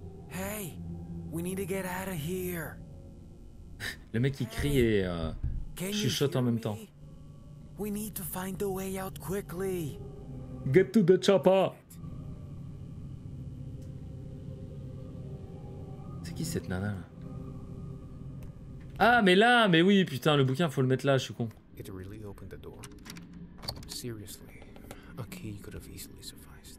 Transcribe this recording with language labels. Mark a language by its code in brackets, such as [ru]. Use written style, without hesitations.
[en] Hey, we need to get out of here. [fr] Le mec il crie et chuchote en même temps. [en] We need to find the way out quickly. Get to the chapa. [fr] C'est qui cette nana là? Ah mais là, mais oui, putain, le bouquin faut le mettre là, je suis con. [en] It really opened the door. Seriously, a key could have easily sufficed.